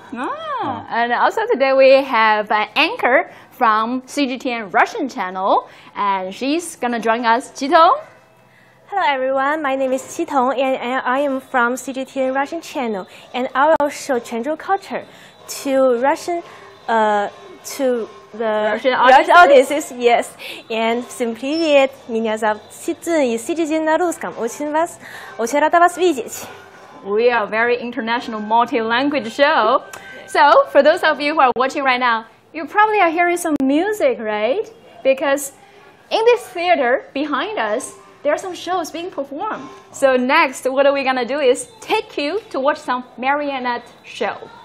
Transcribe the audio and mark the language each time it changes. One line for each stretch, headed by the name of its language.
English: And also today we have an anchor from CGTN Russian channel, and she's gonna join us, Qitong. Hello everyone, my name is Qitong, and I am from CGTN Russian channel, and I will show Quanzhou culture to Russian, to the Russian audiences, yes.
Russian: And всем привет, меня зовут Цзин, и CGTN на русском, очень рада вас видеть.
English: We are a very international multi-language show. So, for those of you who are watching right now, you probably are hearing some music, right? Because in this theater behind us, there are some shows being performed. So next, what are we going to do is take you to watch some marionette show.